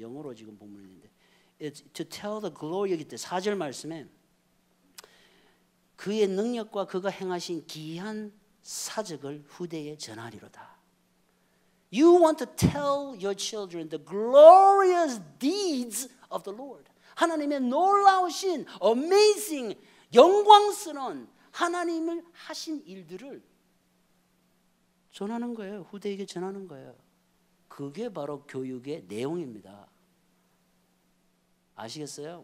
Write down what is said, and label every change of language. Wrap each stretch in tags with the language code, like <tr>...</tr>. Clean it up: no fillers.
<ko>영어로 지금 본문인데</ko> <en>It's to tell the glory</en> <ko>여기 때 4절 말씀에 그의 능력과 그가 행하신 기이한 사적을 후대에 전하리로다.</ko> <en>You want to tell your children the glorious deeds of the Lord.</en> <ko>하나님의 놀라우신,</ko> <en>amazing,</en> <ko>영광스러운 하나님을 하신 일들을 전하는 거예요. 후대에게 전하는 거예요. 그게 바로 교육의 내용입니다. 아시겠어요?</ko>